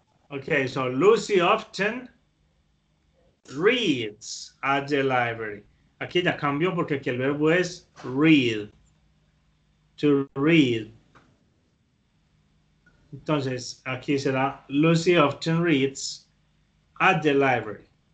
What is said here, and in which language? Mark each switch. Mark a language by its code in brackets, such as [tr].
[en] Okay, so Lucy often reads at the library. [es] Aquí ya cambio porque aquí el verbo es read. [en] To read. [es] Entonces, aquí será [en] Lucy often reads at the library.